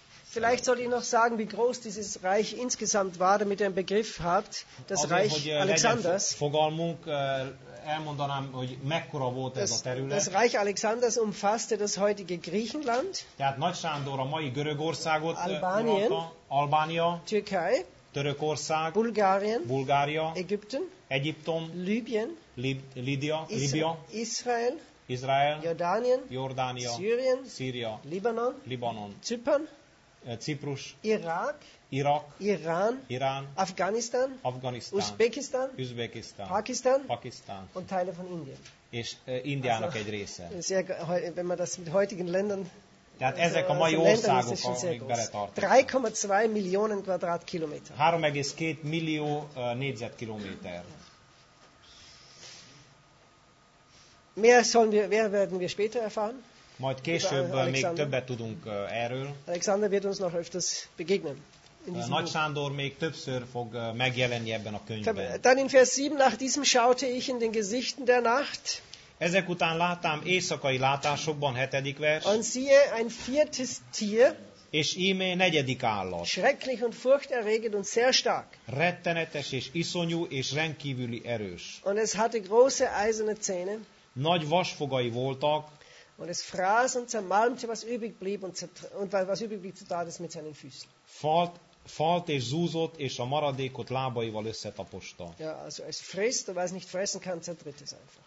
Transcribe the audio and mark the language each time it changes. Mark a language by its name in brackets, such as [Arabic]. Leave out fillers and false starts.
[German] Vielleicht sollte ich noch sagen, wie groß dieses Reich insgesamt war, damit ihr einen Begriff habt, das [Hungarian] Azért, [German] Reich Alexanders. [Hungarian] Fogalmunk, elmondanám, hogy mekkora volt ez a terület. [German] Das Reich Alexanders umfasste das heutige Griechenland, [Hungarian] tehát Nagy Sándor a mai Görögországot, [German] Albanien, [Hungarian] Albánia, [German] Türkei, [Hungarian] Törökország, [German] Bulgarien, [Hungarian] Bulgária, [German] Ägypten, [Hungarian] Egyiptom, [German] Libyen, [Hungarian] Libya, [German] Israel, [Hungarian] Israel, [German] Jordanien, [Hungarian] Jordania, [German] Syrien, [Hungarian] Syria, [German] Libanon, [Hungarian] Libanon, [German] Zypern, [Hungarian] Ciprus, [German] Irak, [Hungarian] Irak, [German] Iran, [Hungarian] Iran, [German] Afghanistan, [Hungarian] Afghanistan, [German] Usbekistan, [Hungarian] Usbekistan, [German] Pakistan, [Hungarian] Pakistan [German] und Teile von Indien. [Hungarian] És Indiának egy része. [German] Sehr, wenn man das mit heutigen Ländern, [Hungarian] tehát ezek a mai országok, amik beletartanak. [German] 3,2 millionen Quadratkilometer. [Hungarian] 3,2 millió négyzetkilométer. [German] Mehr sollen wir, mehr werden wir später erfahren. [Hungarian] Majd később Alexander, még többet tudunk erről. [German] Alexander wird uns noch öfters begegnen. [Hungarian] Nagy Sándor még többször fog megjelenni ebben a könyvben. [German] Dann in Vers 7, nach diesem schaute ich in den Gesichten der Nacht. [Hungarian] Ezek után láttam éjszakai látásokban, hetedik vers. [German] Und siehe, ein viertes Tier. [Hungarian] És íme negyedik állat. [German] Schrecklich und furchterregend und sehr stark. [Hungarian] Rettenetes és iszonyú és rendkívüli erős. [German] Und es hatte große eiserne Zähne. [Hungarian] Nagy vasfogai voltak. [German] Und es fraß und zermalmte, was übrig blieb und was übrig blieb, tat es mit seinen Füßen. [Hungarian] Falt és zúzott, és a maradékot lábaival összetaposta. [German] Ja, also es frisst, und was nicht fressen kann, zertritt es einfach.